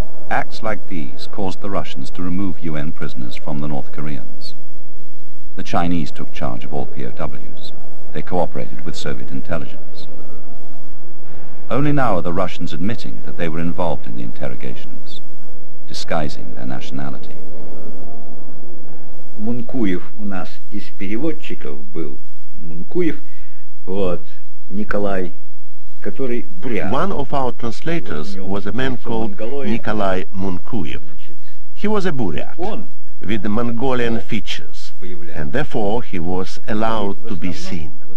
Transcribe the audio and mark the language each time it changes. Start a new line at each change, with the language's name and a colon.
English: Acts like these caused the Russians to remove UN prisoners from the North Koreans. The Chinese took charge of all POWs. They cooperated with Soviet intelligence. Only now are the Russians admitting that they were involved in the interrogations, disguising their nationality.
Russian: Мункуев у нас из переводчиков был. Мункуев, вот, Николай, который бурят.
English: One of our translators was a man called Николай Мункуев. He was a бурят with the Mongolian features, and therefore he was allowed to be seen.